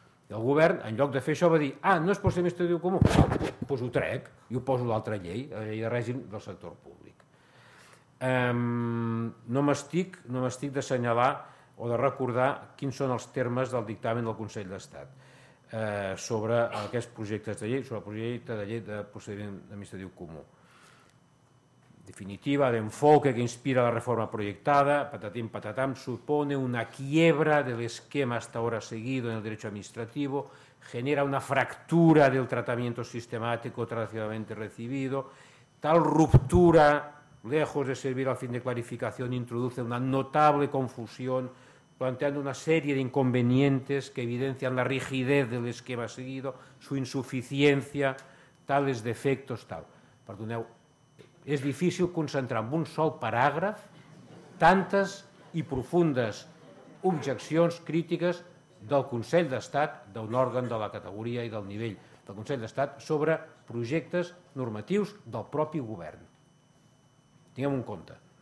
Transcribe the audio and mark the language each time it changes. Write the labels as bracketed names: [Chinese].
[Catalan] I el govern, en lloc de fer això, va dir, ah, no és procediment administratiu comú, doncs ho trec i ho poso a l'altra llei, a la llei de règim del sector públic. No m'estic d'assenyalar o de recordar quins són els termes del dictamen del Consell d'Estat sobre aquests projectes de llei, sobre el projecte de llei de procediment administratiu comú. [Spanish] En definitiva, l'enfoque que inspira la reforma proyectada, patatín patatam, supone una quiebra del esquema hasta ahora seguido en el derecho administrativo, genera una fractura del tratamiento sistemático tradicionalmente recibido, tal ruptura, lejos de servir al fin de clarificación, introduce una notable confusión, planteando una serie de inconvenientes que evidencian la rigidez del esquema seguido, su insuficiencia, tales defectos, tal. [Catalan] Perdoneu. És difícil concentrar en un sol paràgraf tantes i profundes objeccions crítiques del Consell d'Estat, d'un òrgan de la categoria i del nivell del Consell d'Estat, sobre projectes normatius del propi govern. Tinguem un compte.